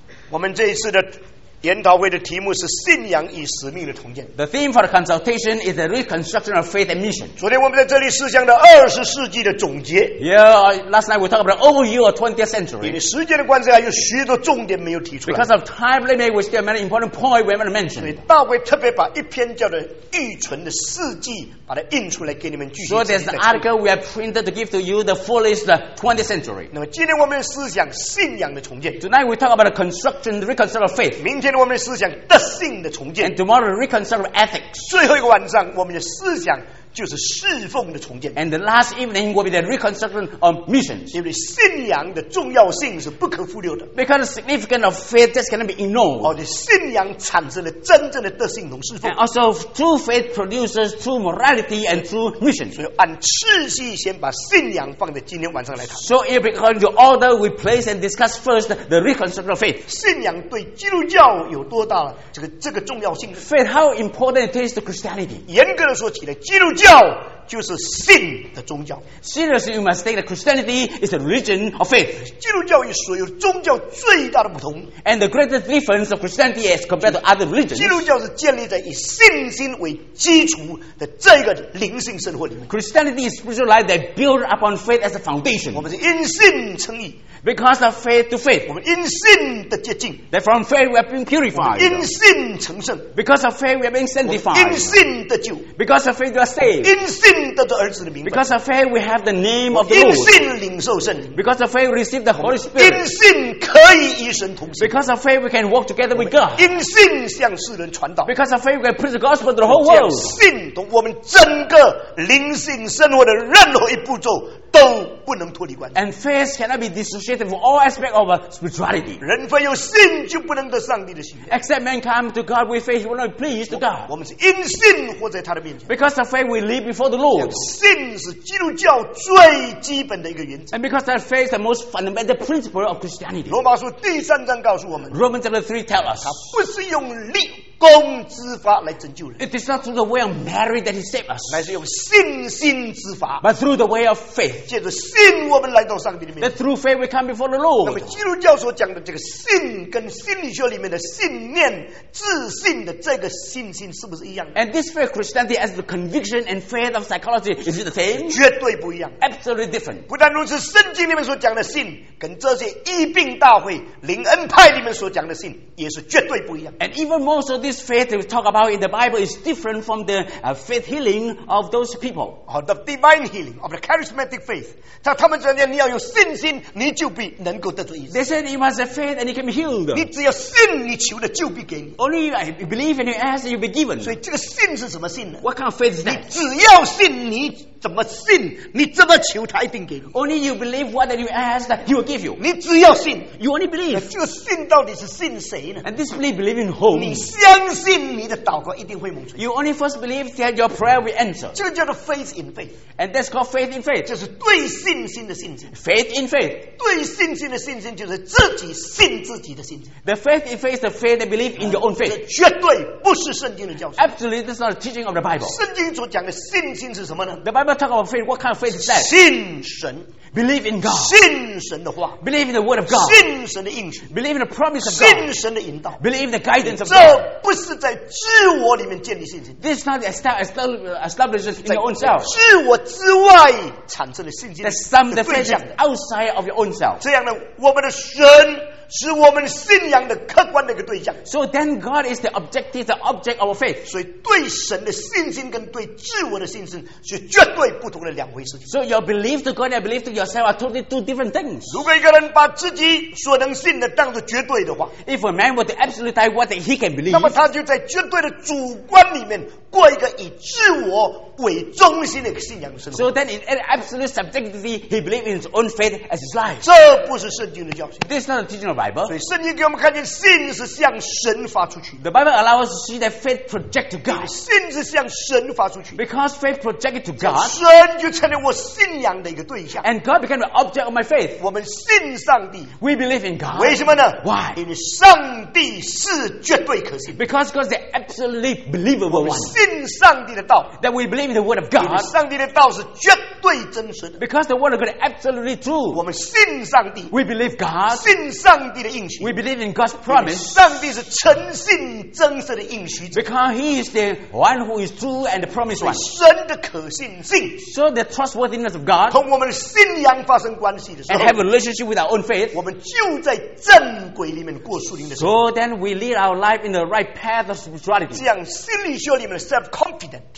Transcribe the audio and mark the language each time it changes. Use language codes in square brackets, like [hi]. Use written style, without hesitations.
[zh] 我们这一次的研讨会的题目是信仰与使命的重建。 [en] The theme for the consultation is the reconstruction of faith and mission. [zh] 昨天我们在这里思想的二十世纪的总结。 [en] Yeah, last night we talked about the overview of 20th century. [zh] 因为时间的关系啊，有许多重点没有提出来。 [en] Because of time limit, we still have many important points we haven't mentioned. [zh] 所以大卫特别把一篇叫做《预存的事记》把它印出来给你们具体。 [en] So there's an article we have printed to give to you the fullest 20th century. [zh] 那么今天我们思想信仰的重建。 [en] Tonight we talk about the construction, the reconstruction of faith. [zh] 明天我们的思想德性的重建 [en] and tomorrow reconstruct ethics [zh] 最后一个晚上我们的思想就是侍奉的重建 [en] and the last evening will be the reconstruction of missions [zh] 因为信仰的重要性是不可忽略的 [en] because the significance of faith just cannot be ignored [zh] 信仰产生了真正的德性和侍奉 [en] and also true faith produces true morality and true mission [zh] 所以按次序先把信仰放在今天晚上来谈 [en] so if we call your order we place and discuss first the reconstruction of faith [zh] 信仰对基督教有多大这个重要性 [en] faith how important it is to Christianity [zh] 严格的说起来基督教就是信的宗教。 [en] Seriously, you must think that Christianity is the religion of faith. [zh] 基督教与所有宗教最大的不同。 [en] And the greatest difference of Christianity is compared to other religions. [zh] 基督教是建立在以信心为基础的这个灵性生活里面。 [en] Christianity is spiritual life that built upon faith as a foundation. [zh] 我们是因信称义。 [en] Because of faith to faith. [zh] 我们因信的洁净。 [en] That from faith we have been purified. [zh] 我们因信成圣。 [en] Because of faith we have been sanctified. [zh] 我们因信得救。 [en] Because of faith we are saved. [zh] 因信得着儿子的名分。 [en] Because of faith we have the name of the Lord. [zh] 因信领受圣灵。 [en] Because of faith we receive the Holy Spirit. [zh] 因信可以与神同行。 [en] Because of faith we can walk together with God. [zh] 因信向世人传道。 [en] Because of faith we can preach the gospel to the whole world. [zh] 信同我们整个灵性生活的任何一步骤都不能脱离关系。 [en] And faith cannot be dissociated from all aspects of spirituality. [zh] 人非有信就不能得上帝的喜悦。 [en] Except man come to God with faith, he will not be pleased to God. [zh] 我们是因信活在他的面前。 [en] Because of faith we live before the Lord. [zh] 信是基督教最基本的一个原则。 [en] And because that faith is the most fundamental principle of Christianity. [zh] 罗马书第三章告诉我们。 [en] Romans chapter 3 tell us. [zh] 他不是用力。公之法来拯救人。 [en] It is not through the way of merit that he saved us. [zh] 乃是用信心之法。 [en] But through the way of faith. [zh] 借着信我们来到上帝的面前。 [en] That through faith we come before the Lord. [zh] 那么基督教所讲的这个信跟心理学里面的信念、自信的这个信心是不是一样的 [en] ？And this faith Christianity as the conviction and faith of psychology is it the same? [zh] 绝对不一样。 [en] Absolutely different. [zh] 不但如此，圣经里面所讲的信跟这些医病大会、灵恩派里面所讲的信也是绝对不一样。 [en] And even more so this faith we talk about in the Bible is different from the faith healing of those people. Or the divine healing of the charismatic faith. [zh] 他们讲的你要有信心，你就必能够得着医治。 [en] They said you must have faith and you can be healed. [zh] 你只要信，你求的就必给你。 [en] Only you believe and you ask, you'll be given. [zh] 所以这个信是什么信呢 [en] ？What kind of faith is that? [zh] 你只要信你。怎么信？你怎么求，他一定给你。 [en] Only you believe what you ask, he will give you. [zh] 你只要信 [en] ，you only believe. [zh] 这个信到底是信谁呢 [en] ？And this belief believe in whom? [zh] 你相信你的祷告一定会蒙垂。 [en] You only first believe that your prayer will answer. [zh] 这个叫做 [en] faith in faith. And that's called faith in faith. [zh] 就是对信心的信心。 [en] Faith in faith. [zh] 对信心的信心就是自己信自己的信心。 [en] The faith in faith is the faith that believe in your own faith. [zh] 绝对不是圣经的教训。 [en] Absolutely, this is not a teaching of the Bible. [zh] 圣经所讲的信心是什么呢 [en] ？The Bible. Talk about faith. What kind of faith is that? [zh] 信神 [en] Believe in God. [zh] 信神的话 [en] Believe in the word of God. [zh] 信神的应许 [en] Believe in the promise of God. [zh] 信神的引导 [en] Believe in the guidance of God. [zh] 这不是在自我里面建立信心 [en] This is not established in your own self. [zh] 自我之外产生的信心 [en] That some the faith is outside of your own self. [zh] 这样呢，我们的神是我们信仰的客观的一个对象。 [en] So then God is the objective, the object of our faith. [zh] 所以对神的信心跟对自我的信心是绝对不同的两回事。 [en] So your belief to God and belief to yourself are totally two different things. [zh] 如果一个人把自己所能信的当作绝对的话 [en] ，If a man were to absolutely what he can believe， [zh] 那么他就在绝对的主观里面。过一个以自我为中心的信仰生活。 [en] So then, in absolute subjectivity, he believed in his own faith as his life. [zh] 这不是圣经的教训。 [en] This is not a teaching of the Bible. [zh] 所以圣经给我们看见，信是向神发出去。 [en] The Bible allows us to see that faith projects to God. [zh] 信是向神发出去。 [en] Because faith projects to God, [zh] 神就成了我信仰的一个对象。 [en] And God became the object of my faith. [zh] 我们信上帝。 [en] We believe in God. [zh] 为什么呢 [en] ？Why? [zh] 因为上帝是绝对可信。 [en] Because God is the absolutely believable one. [zh] 信上帝的道 [en] that we believe in the word of God [zh] 上帝的道是绝对 [en] Because the word of God is absolutely true. [zh] 我们信上帝, [en] we believe God. [zh] 信上帝的应许, [en] we believe in God's promise. [zh] 上帝是诚信真实的应许者, [en] because He is the one who is true and the promised one. [zh] 神的可信性, [en] so the trustworthiness of God and have a relationship with our own faith. [zh] 我们就在正轨里面过树林的时候, [en] so then we lead our life in the right path of spirituality. [zh] 这样心理学里面的 self-confident.